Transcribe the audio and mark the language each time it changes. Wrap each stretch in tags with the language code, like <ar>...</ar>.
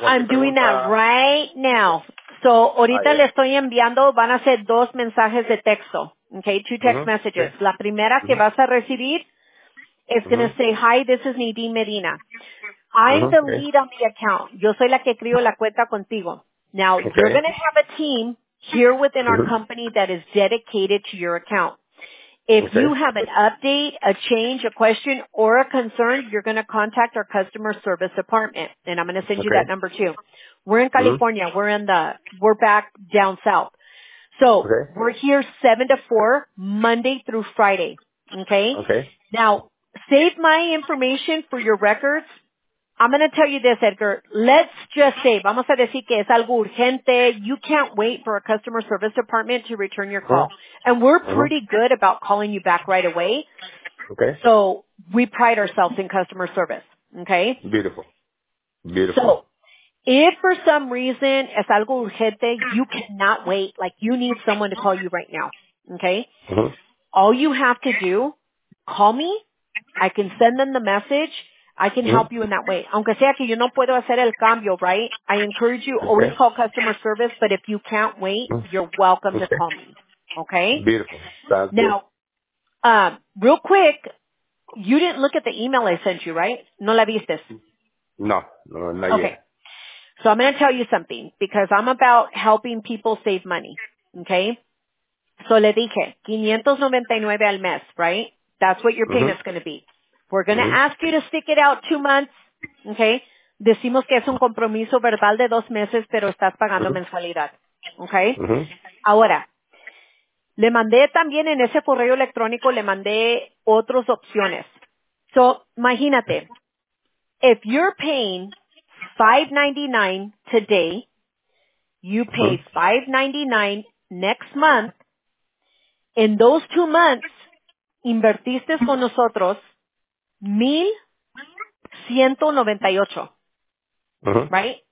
<en>I'm doing that right now.</en> <es>So, ahorita le estoy enviando, van a ser dos mensajes de texto.</es> <en>Okay, two text messages. Okay.</en> <es>La primera que vas a recibir</es> <en>is going to say, hi, this is Nadine Medina. I'm the lead on the account.</en> <es>Yo soy la que creo la cuenta contigo.</es> <en>Now, you're going to have a team here within our company that is dedicated to your account. If you have an update, a change, a question, or a concern, you're going to contact our customer service department, and I'm going to send you that number too. We're in California. Mm-hmm. We're back down south. So we're here 7 to 4, Monday through Friday. Okay? Okay. Now, save my information for your records. I'm going to tell you this, Edgar. Let's just say,</en> <es>vamos a decir que es algo urgente.</es> <en>You can't wait for a customer service department to return your call. And we're pretty good about calling you back right away. Okay. So we pride ourselves in customer service. Okay? Beautiful. So if for some reason</en> <es>es algo urgente,</es> <en>you cannot wait. Like you need someone to call you right now. Okay? Mm-hmm. All you have to do, call me. I can send them the message. I can help you in that way.</en> <es>Aunque sea que yo no puedo hacer el cambio,</es> <en>right? I encourage you, always call customer service, but if you can't wait, you're welcome to call me. Okay? Beautiful. Sounds now, real quick, you didn't look at the email I sent you, right?</en> <es>No la viste.</es> <en>No, not yet. Okay. So I'm going to tell you something, because I'm about helping people save money. Okay? So</en> <es>le dije, 599 al mes,</es> <en>right? That's what your payment's going to be. We're going to ask you to stick it out 2 months, okay?</en> <es>Decimos que es un compromiso verbal de 2 meses, pero estás pagando mensualidad, okay? Ahora, le mandé también en ese correo electrónico, le mandé otras opciones.</es> <en>So,</en> <es>imagínate,</es> <en>if you're paying $5.99 today, you pay $5.99 next month, in those 2 months,</en> <es>invertiste con nosotros,</es> <en>1,198, right?</en>